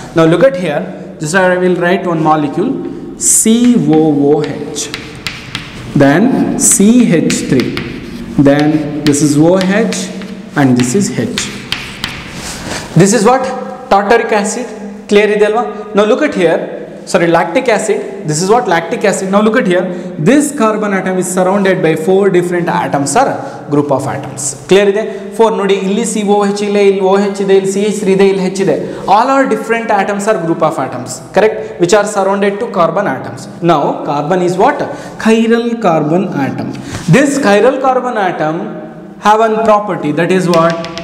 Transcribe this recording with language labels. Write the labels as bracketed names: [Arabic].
[English] ನಾವು look at here, just I will write one molecule C O O H, then CH3, then this is OH and this is H. This is what? Tartaric acid. Clear [Kannada] ಇದೆ ಅಲ್ವಾ? [English] Now look at here. Sorry, lactic acid. This is what? Lactic acid. Now look at here. This carbon atom is surrounded by four different atoms or group of atoms. [Kannada] Clear ಇದೆ? Four ನೋಡಿ, ಇಲ್ಲಿ C O ಹೆಚ್ ಇಲ್ಲ, ಇಲ್ಲಿ ಓ ಹೆಚ್ ಇದೆ, ಇಲ್ಲಿ C H three ಇದೆ, ಇಲ್ಲಿ ಹೆಚ್ಚಿದೆ. [English] All are different atoms or group of atoms, correct, which are surrounded to carbon atoms. ನಾವು carbon is what? Chiral carbon atom. This chiral carbon atom have an property, that is what?